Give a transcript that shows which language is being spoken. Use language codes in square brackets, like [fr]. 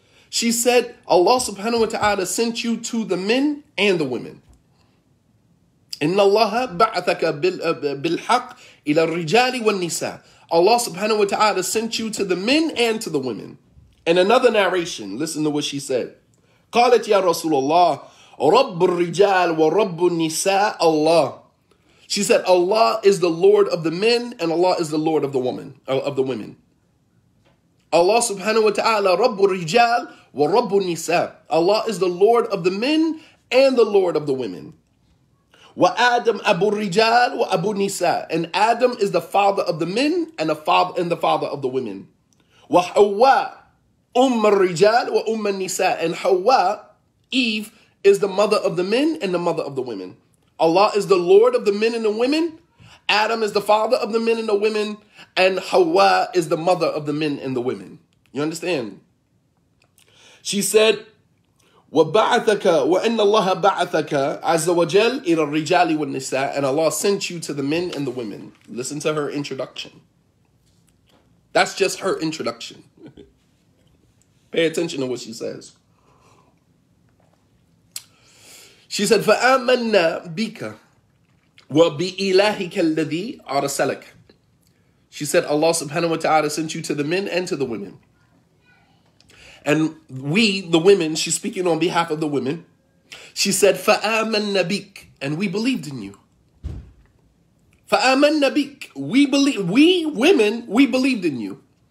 [en] She said, "Allah subhanahu wa ta'ala sent you to the men and the women." [ar] "Inna Allah ba'athaka bil haqq ila rijali wan nisa." [en] Allah subhanahu wa ta'ala sent you to the men and to the women. And another narration, listen to what she said. [ar] قالت يا رسول الله رب الرجال ورب النساء الله. [en] She said, Allah is the Lord of the men and Allah is the Lord of the woman, of the women. [ar] Allah subhanahu wa ta'ala رب الرجال ورب النساء. [en] Allah is the Lord of the men and the Lord of the women. [ar] وَآدَمْ أَبُوا الرِّجَالِ وَأَبُوا النِّسَاءِ. [en] And Adam is the father of the men and the father of the women. [ar] وَحَوَّى أُمَّ الرِّجَالِ وَأُمَّ النِّسَاءِ. [en] And Hawa, Eve, is the mother of the men and the mother of the women. Allah is the Lord of the men and the women. Adam is the father of the men and the women. And Hawa is the mother of the men and the women. You understand? [ar] She said, وَبَعَثَكَ وَأَنَّ اللَّهَ بَعَثَكَ عَزَّ وَجَلَّ إِلَى الرِّجَالِ وَالنِّسَاءِ. [en] And Allah sent you to the men and the women. Listen to her introduction. That's just her introduction. Pay attention to what she says. [ar] She said, فَآمَنَّا بِكَ وَبِإِلَهِكَ الَّذِي أَرْسَلَكَ. [en] She said, Allah subhanahu wa ta'ala sent you to the men and to the women. And we, the women, she's speaking on behalf of the women. [ar] She said, فَآمَنَّ بِكَ. [en] And we believed in you. [ar] فَآمَنَّ بِكَ. [en] We believe, we women, we believed in you.